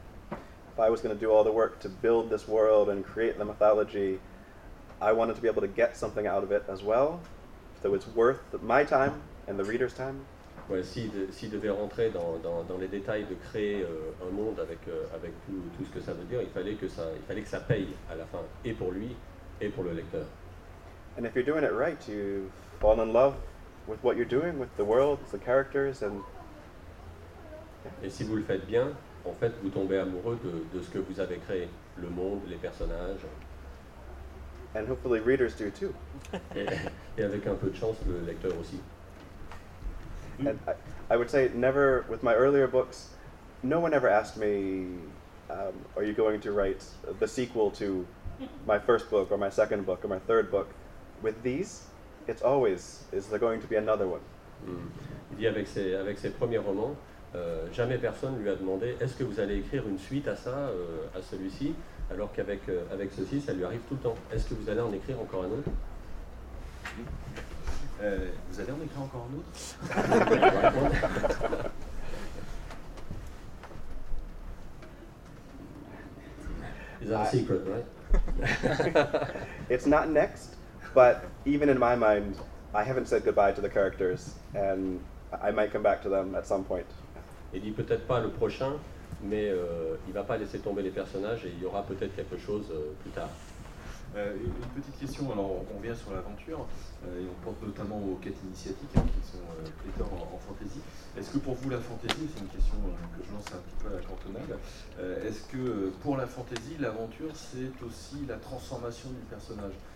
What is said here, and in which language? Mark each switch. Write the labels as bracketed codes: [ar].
[en] If I was going to do all the work to build this world and create the mythology, I wanted to be able to get something out of it as well. So it's worth my time and the reader's time. [fr] Ouais, s'il devait rentrer dans les détails de créer un monde avec tout ce que ça veut dire, il fallait que ça paye à la fin, et pour lui et pour le lecteur. [en] And if you're doing it right, you fall in love with what you're doing, with the world, the characters, and. [fr] Et si vous le faites bien, en fait, vous tombez amoureux de ce que vous avez créé, le monde, les personnages. [en] And hopefully readers do too. [fr] Et avec un peu de chance, le lecteur aussi. [en] And I would say never with my earlier books, no one ever asked me, are you going to write the sequel to my first book or my second book or my third book? With these, it's always, is there going to be another one? Mm. [fr] Il dit avec ses premiers romans, jamais personne lui a demandé, est-ce que vous allez écrire une suite à ça, à celui-ci? Alors qu'avec avec ceci, ça lui arrive tout le temps. Est-ce que vous allez en écrire encore un autre? Vous allez en écrire encore un autre? [en] Is that a secret, right? It's not next, but even in my mind, I haven't said goodbye to the characters, and I might come back to them at some point. [fr] Il dit peut-être pas le prochain. Mais il ne va pas laisser tomber les personnages et il y aura peut-être quelque chose plus tard. Une petite question, alors on vient sur l'aventure, et on pense notamment aux quêtes initiatiques hein, qui sont pléthores en fantasy. Est-ce que pour vous la fantasy, c'est une question que je lance un petit peu à la cantonade, est-ce que pour la fantasy, l'aventure c'est aussi la transformation du personnage?